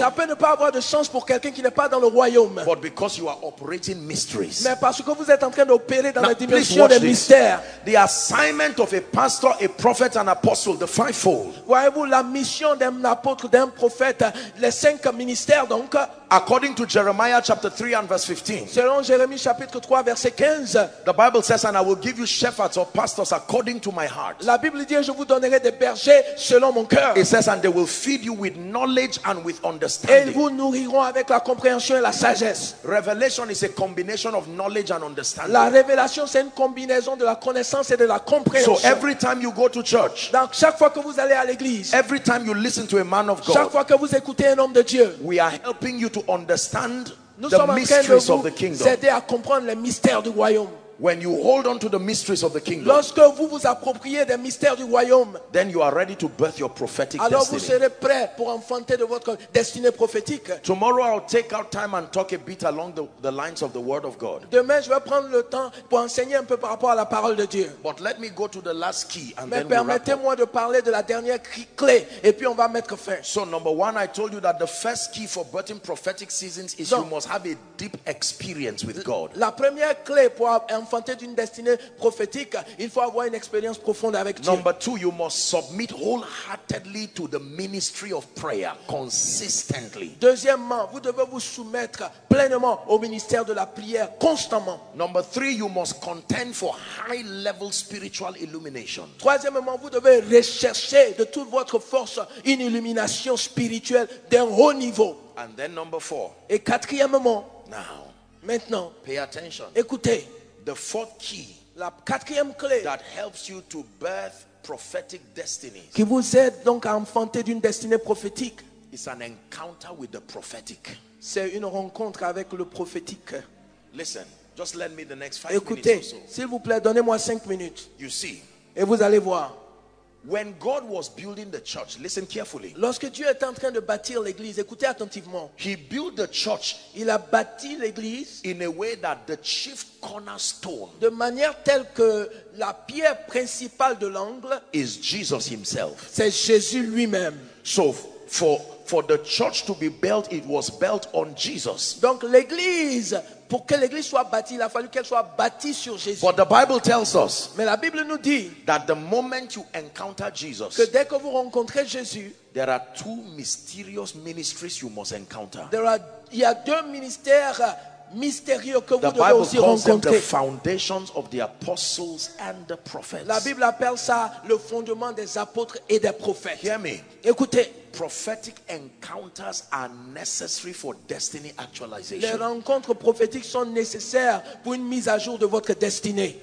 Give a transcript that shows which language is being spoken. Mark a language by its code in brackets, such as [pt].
[fr] Ça peut ne pas avoir de sens pour quelqu'un qui n'est pas dans le royaume. [en] But because you are operating mysteries. [fr] Mais parce que vous êtes en train d'opérer dans la dimension des mystères. [en] The assignment of a pastor, a prophet, an apostle, the fivefold. [fr] Voyez-vous la mission d'un apôtre, d'un prophète, les cinq ministères donc. [en] According to Jeremiah chapter 3 and verse 15. [fr] Selon Jérémie chapitre 3 verset 15. [en] The Bible says, and I will give you shepherds or pastors according to my heart. [fr] La Bible dit, je vous donnerai des bergers selon mon cœur. [en] It says, and they will feed you with knowledge and with understanding. [fr] Et ils vous nourriront avec la compréhension et la sagesse. [en] Revelation is a combination of knowledge and understanding. [fr] La révélation c'est une combinaison de la connaissance et de la compréhension. [en] So every time you go to church. [fr] Donc chaque fois que vous allez à l'église. [en] Every time you listen to a man of God. [fr] Chaque fois que vous écoutez un homme de Dieu. [en] We are helping you to understand [fr] nous [en] the mysteries of the kingdom. [fr] Aider à comprendre les mystères du royaume. [en] When you hold on to the mysteries of the kingdom, [fr] lorsque vous vous appropriez des mystères du royaume, [en] then you are ready to birth your prophetic [fr] alors [en] destiny. [fr] Alors vous serez prêt pour enfanter de votre destinée prophétique. [en] Tomorrow I'll take out time and talk a bit along the lines of the word of God. [fr] Demain je vais prendre le temps pour enseigner un peu par rapport à la parole de Dieu. [en] But let me go to the last key and [fr] mais [en] then we'll wrap up. [fr] Mais permettez-moi de parler de la dernière clé et puis on va mettre fin. [en] So number one, I told you that the first key for birthing prophetic seasons is donc, you must have a deep experience with God. [fr] La première clé pour enfanté d'une destinée prophétique, il faut avoir une expérience profonde avec Dieu. [en] Number two, you must submit wholeheartedly to the ministry of prayer consistently. [fr] Deuxièmement, vous devez vous soumettre pleinement au ministère de la prière constamment. [en] Number three, you must contend for high-level spiritual illumination. [fr] Troisièmement, vous devez rechercher de toute votre force une illumination spirituelle d'un haut niveau. [en] And then number four. [fr] Et quatrièmement, [en] now, [fr] maintenant, [en] pay attention. [fr] Écoutez. [en] The fourth key, [fr] la quatrième clé, [en] that helps you to birth prophetic destinies, [fr] qui vous aide donc à enfanter d'une destinée prophétique, [en] is an encounter with the prophetic. [fr] C'est une rencontre avec le prophétique. [en] Listen, just lend me the next five [fr] écoutez, [en] minutes or so. [fr] S'il vous plaît, donnez-moi 5 minutes. [en] You see, [fr] et vous allez voir. [en] When God was building the church, listen carefully. [fr] Lorsque Dieu est en train de bâtir l'église, écoutez attentivement. [en] He built the church. [fr] Il a bâti l'église [en] in a way that the chief cornerstone, [fr] de manière telle que la pierre principale de l'angle, [en] is Jesus himself. [fr] C'est Jésus lui-même. [en] So for the church to be built, it was built on Jesus. [fr] Donc l'église, pour que l'église soit bâtie, il a fallu qu'elle soit bâtie sur Jésus. [en] But the Bible tells us, [fr] mais la Bible nous dit, [en] that the moment you encounter Jesus, [fr] que dès que vous rencontrez Jésus, [en] there are two mysterious ministries you must encounter. [fr] Il y a deux ministères mystérieux que [en] the [fr] vous devez [en] Bible [fr] aussi [en] calls [fr] rencontrer. [en] Them the foundations of the apostles and the prophets. [fr] La Bible appelle ça le fondement des apôtres et des prophètes. [en] Hear me. [fr] Écoutez. [en] Prophetic encounters are necessary for destiny actualization. [fr] Les rencontres prophétiques sont nécessaires pour une mise à jour de votre destinée.